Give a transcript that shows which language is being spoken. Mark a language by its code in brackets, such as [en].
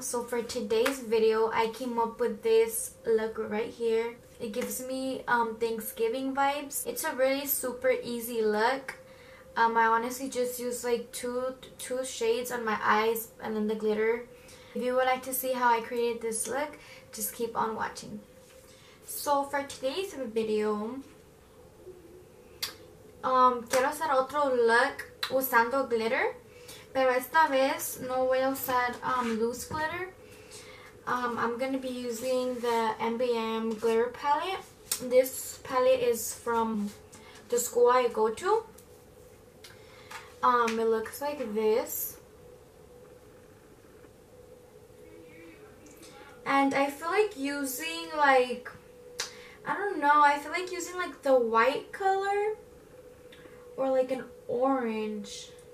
[en] So for today's video, I came up with this look right here. It gives me Thanksgiving vibes. It's a really super easy look. I honestly just used like two shades on my eyes and then the glitter. If you would like to see how I created this look, just keep on watching. So for today's video, [es] quiero hacer otro look usando glitter. Pero esta vez no voy a usar loose glitter. [en] I'm going to be using the MBM glitter palette. This palette is from the school I go to. It looks like this. And I feel like using like, I don't know, I feel like using like the white color or like an orange.